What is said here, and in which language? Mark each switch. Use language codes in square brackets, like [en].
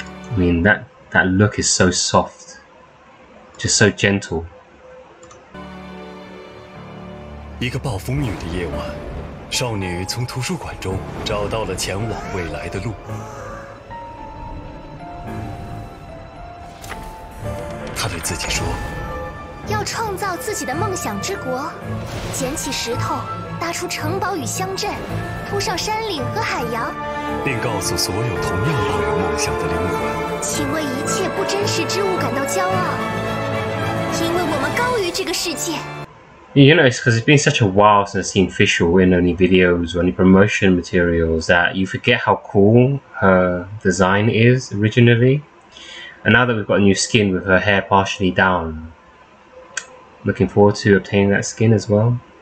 [en] I mean, that look is so soft, just so gentle. [zh] 一个暴风雨的夜晚，少女从图书馆中找到了前往未来的路。自己说，要创造自己的梦想之国，捡起石头，搭出城堡与乡镇，铺上山岭和海洋，并告诉所有同样抱有梦想的灵魂，请为一切不真实之物感到骄傲，因为我们高于这个世界。 [en] You know, it's because it's been such a while since I've seen Fischl in any videos or any promotion materials that you forget how cool her design is originally. And now that we've got a new skin with her hair partially down, looking forward to obtaining that skin as well.